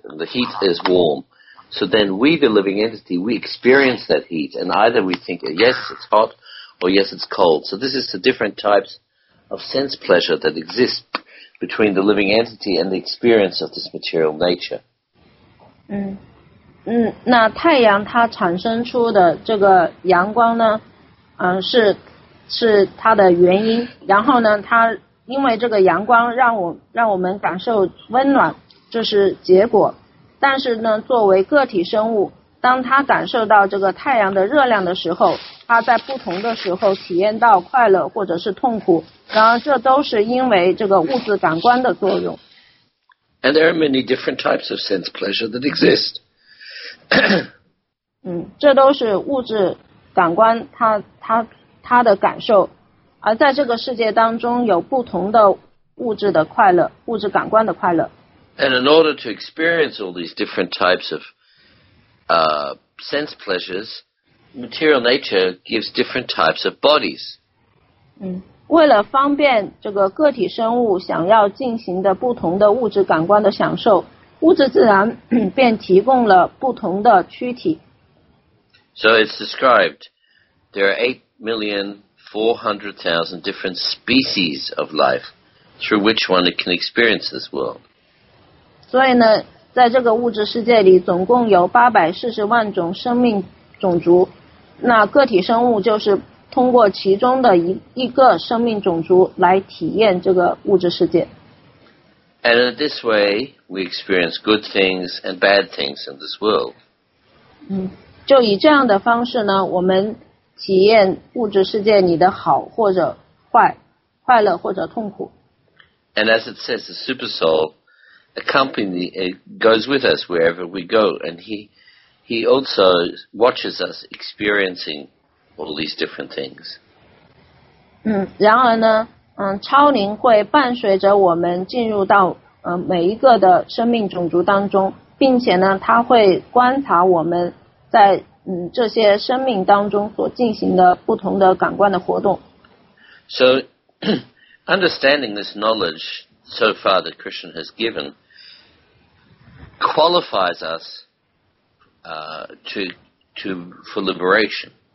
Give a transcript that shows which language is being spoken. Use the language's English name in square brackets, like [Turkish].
[English] The heat is warm. So then we, the living entity, we experience that heat. And either we think, yes, it's hot or yes, it's cold. So this is the different types of sense pleasure that exist between the living entity and the experience of this material nature. [Chinese] 那太阳它产生出的这个阳光呢，是它的原因，然后呢，它因为这个阳光让我们感受温暖，这是结果。但是呢，作为个体生物，当它感受到这个太阳的热量的时候，它在不同的时候体验到快乐或者是痛苦，然而这都是因为这个物质感官的作用。 [English] And there are many different types of sense pleasure that exist. [Chinese] 这都是物质感官它的感受，而在这个世界当中有不同的物质的快乐，物质感官的快乐。 [English] And in order to experience all these different types of sense pleasures, material nature gives different types of bodies. [Chinese] 为了方便这个个体生物想要进行的不同的物质感官的享受，物质自然便提供了不同的躯体。 [English] So it's described, there are 8,400,000 different species of life through which one can experience this world. [Chinese] 所以呢，在这个物质世界里，总共有840万种生命种族。那个体生物就是通过其中的一个生命种族来体验这个物质世界。 [English] And in this way, we experience good things and bad things in this world. [Chinese] 就以这样的方式呢，我们体验物质世界里的好或者坏，快乐或者痛苦。 [English] And as it says, the super soul accompany it goes with us wherever we go, and he also watches us experiencing all these different things. [Chinese] 然而呢，超灵会伴随着我们进入到每一个的生命种族当中，并且呢，他会观察我们在这些生命当中所进行的不同的感官的活动。 [English] So, understanding this knowledge so far that Krishna has given qualifies us to for liberation.